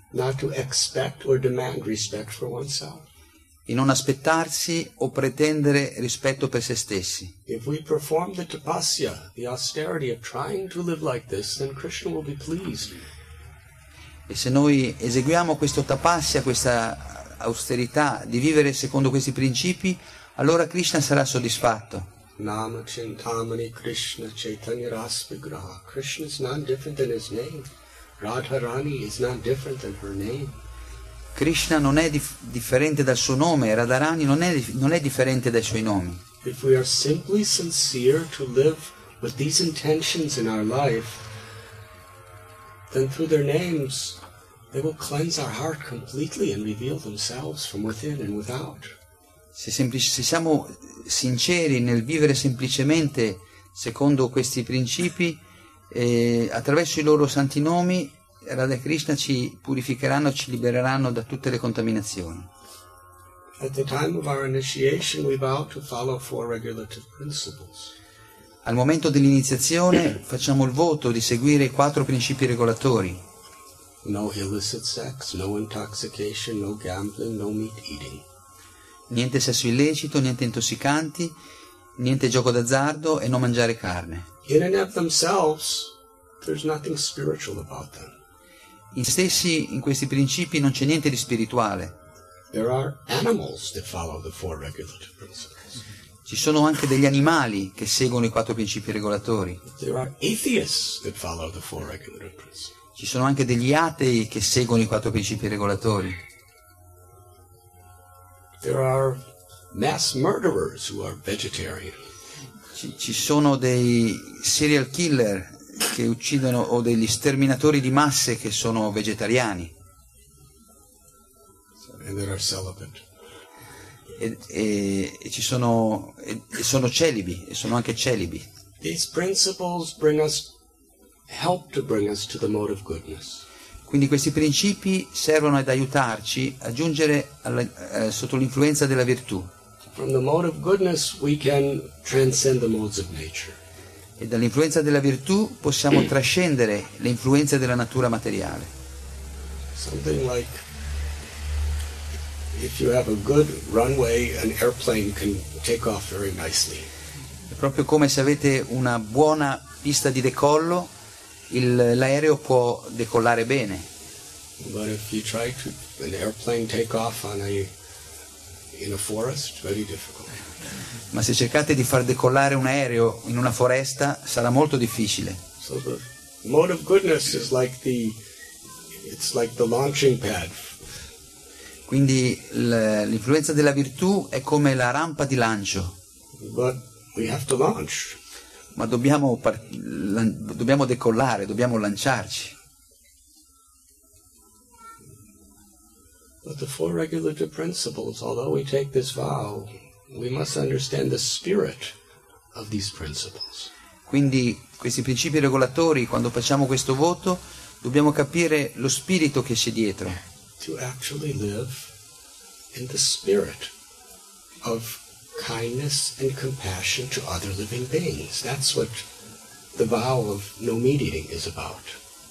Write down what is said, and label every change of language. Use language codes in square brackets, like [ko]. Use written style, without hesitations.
[en] Not to expect or demand respect for oneself. [it] E non aspettarsi o pretendere rispetto per se stessi. [en] If we perform the tapasya, the austerity of trying to live like this, then Krishna will be pleased. [it] E se noi eseguiamo questo tapasya, questa austerità di vivere secondo questi principi, allora Krishna sarà soddisfatto. [sa] Nama Chintamani Krishna Chaitanya Rasvigraha. [en] Krishna is non different than his name. Radharani is non different than her name. [it] Krishna non è differente dal suo nome, Radharani non è differente dai suoi nomi. [en] If we are simply sincere to live with these intentions in our life, then through their names they will cleanse our heart completely and reveal themselves from within and without. [it] Se siamo sinceri nel vivere semplicemente secondo questi principi, attraverso i loro santi nomi, Radha Krishna ci purificheranno, ci libereranno da tutte le contaminazioni. [en] At the time of our initiation, we vow to follow four regulative principles. [it] Al momento dell'iniziazione facciamo il voto di seguire i quattro principi regolatori. [en] No illicit sex, no intoxication, no gambling, no meat eating. [it] Niente sesso illecito, niente intossicanti, niente gioco d'azzardo e non mangiare carne. [en] In and of themselves, there's nothing spiritual about them. [it] In stessi, in questi principi, non c'è niente di spirituale. [en] There are animals that follow the four regulative principles. [it] Ci sono anche degli animali che seguono i quattro principi regolatori. [en] There are atheists that follow the four regulative principles. [it] Ci sono anche degli atei che seguono i quattro principi regolatori. [en] There are mass murderers who are vegetarian. [it] Ci sono dei serial killer che uccidono, o degli sterminatori di masse che sono vegetariani. [en] And there are celibate. [it] e ci sono e sono celibi e sono anche celibi. [en] These principles bring us, help to bring us to the mode of goodness. [it] Quindi questi principi servono ad aiutarci a giungere alla, sotto l'influenza della virtù. [en] From the mode of goodness we can transcend the modes of nature. [it] E dall'influenza della virtù possiamo trascendere le influenze della natura materiale. [en] Something like if you have a good runway, an airplane can take off very nicely. [it] È proprio come se avete una buona pista di decollo, l'aereo può decollare bene. [en] But if you try to an airplane take off on a in a forest, very difficult. [it] Ma se cercate di far decollare un aereo in una foresta sarà molto difficile. [en] So the mode of goodness is like the it's like the launching pad. [it] Quindi l'influenza della virtù è come la rampa di lancio. [en] But we have to launch. [it] Ma dobbiamo decollare, dobbiamo lanciarci. [en] But the four regulative principles, although we take this vow, we must understand the spirit of these principles. [it] Quindi questi principi regolatori, quando facciamo questo voto, dobbiamo capire lo spirito che c'è dietro. [en] To actually live in the spirit of kindness and compassion to other living beings. That's what the vow of no meat eating is about.